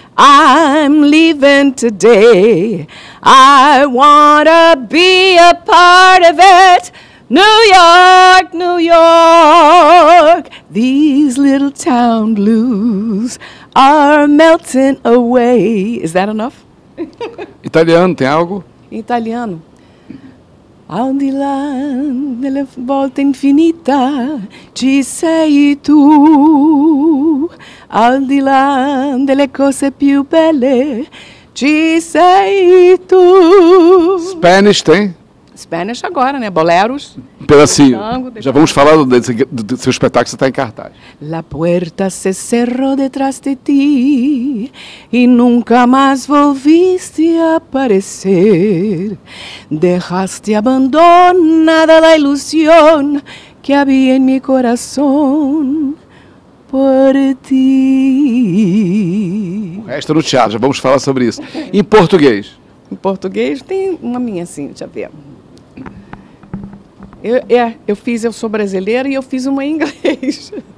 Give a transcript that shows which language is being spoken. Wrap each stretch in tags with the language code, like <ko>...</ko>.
<en>I'm leaving today. I wanna be a part of it. New York, New York. These little town blues are melting away. Is that enough?</en> <pt>Italiano, tem algo? Italiano.</pt> <it>Al di là delle volte infinita ci sei tu. Al di là delle cose più belle ci sei tu.</it> <pt>Spanish tem? Spanish agora, né? Boleros. Pedacinho. Já vamos falar do seu espetáculo que você está em cartaz.</pt> <es>La puerta se cerró detrás de ti</es> <pt>e nunca mais</pt> <es>volviste aparecer. Dejaste abandonada la ilusión que había en mi corazón por ti.</es> <pt>O resto no teatro, já vamos falar sobre isso. Em português? Em português tem uma minha, sim, deixa eu ver. Eu sou brasileira e eu fiz uma em inglês.</pt>